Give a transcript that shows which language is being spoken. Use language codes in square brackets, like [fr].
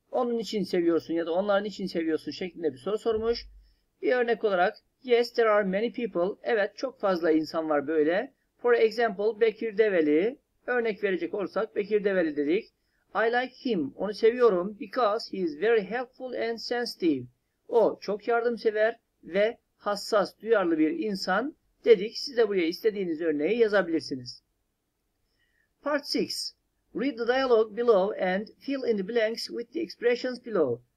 [tr] Onun için seviyorsun ya da onların için seviyorsun şeklinde bir soru sormuş. Bir örnek olarak, [en] yes, there are many people. [tr] Evet, çok fazla insan var böyle. [en] For example, [tr] Bekir Develi. Örnek verecek olursak Bekir Develi dedik. [en] I like him. [tr] Onu seviyorum [en] because he is very helpful and sensitive. [tr] O çok yardımsever ve hassas, duyarlı bir insan dedik. Siz de buraya istediğiniz örneği yazabilirsiniz. Part 6. [en] Read the dialogue below and fill in the blanks with the expressions below.